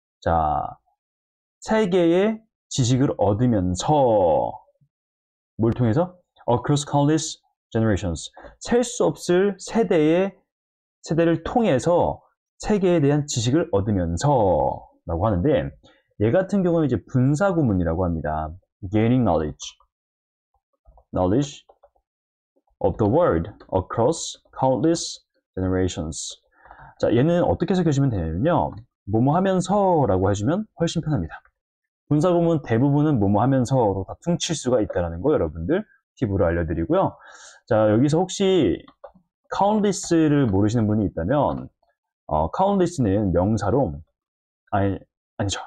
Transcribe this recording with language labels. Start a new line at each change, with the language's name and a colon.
Korean: 자, 세계의 지식을 얻으면서 뭘 통해서?
English: Across countless generations.
Korean: 셀수 없을 세대를 통해서 세계에 대한 지식을 얻으면서라고 하는데, 얘 같은 경우는 이제 분사 구문이라고 합니다.
English: Gaining knowledge of the world across countless generations.
Korean: 자, 얘는 어떻게 해석해주면 되냐면요. 뭐뭐 하면서라고 해주면 훨씬 편합니다. 분사 구문 대부분은 뭐뭐 하면서로 다 퉁칠 수가 있다는 거 여러분들 팁으로 알려드리고요. 자, 여기서 혹시 countless를 모르시는 분이 있다면, countless는 명사로, 아니죠.